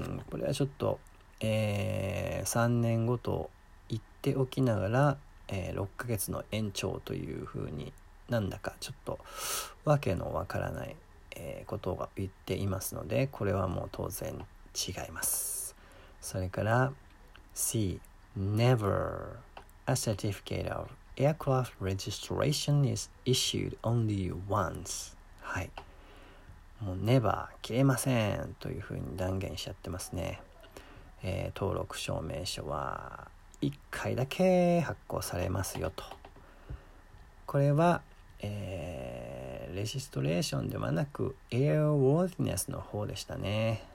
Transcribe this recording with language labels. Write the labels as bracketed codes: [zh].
[ja] これはちょっと3年後と言っておきながら、6ヶ月の延長というふうになんだかちょっとわけのわからない、ことが言っていますので、これはもう当然違います。それから [en] C. Never. A certificate of aircraft registration is issued only once. [ja] はい、もう Never 切れませんというふうに断言しちゃってますね。登録証明書は1回だけ発行されますよと。これは、レジストレーションではなくエアワーズネスの方でしたね。